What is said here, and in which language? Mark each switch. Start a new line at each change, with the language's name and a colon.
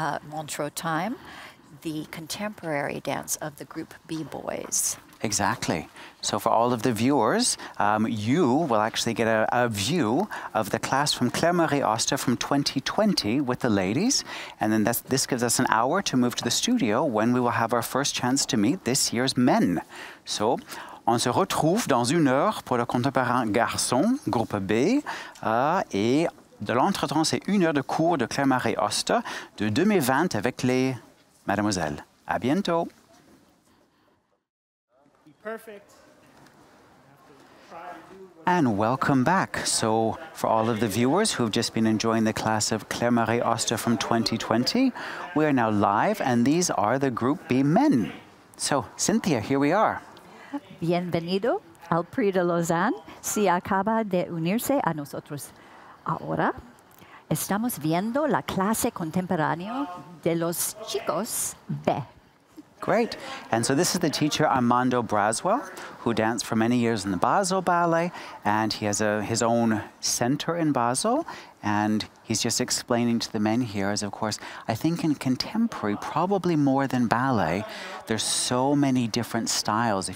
English: Montreux time, the contemporary dance of the group B boys. Exactly. So for all of the viewers, you will actually get a view of the class from Claire-Marie Oster from 2020 with the ladies. And then this gives us an hour to move to the studio when we will have our first chance to meet this year's men.
French: So on se retrouve dans une heure pour le contemporain garçon, groupe B. Et de l'entretemps, c'est une heure de cours de Claire-Marie Oster de 2020 avec les mademoiselles. À bientôt.
English: Perfect. And welcome back. So for all of the viewers who have just been enjoying the class of Claire-Marie Oster from 2020, we are now live and these are the Group B men. So Cynthia, here we are.
Spanish: Bienvenido al Prix de Lausanne. Si acaba de unirse a nosotros ahora, estamos viendo la clase contemporánea de los chicos B.
English: Great. And so this is the teacher Armando Braswell, who danced for many years in the Basel Ballet, and he has his own center in Basel, and he's just explaining to the men here, as of course, I think in contemporary, probably more than ballet, there's so many different styles.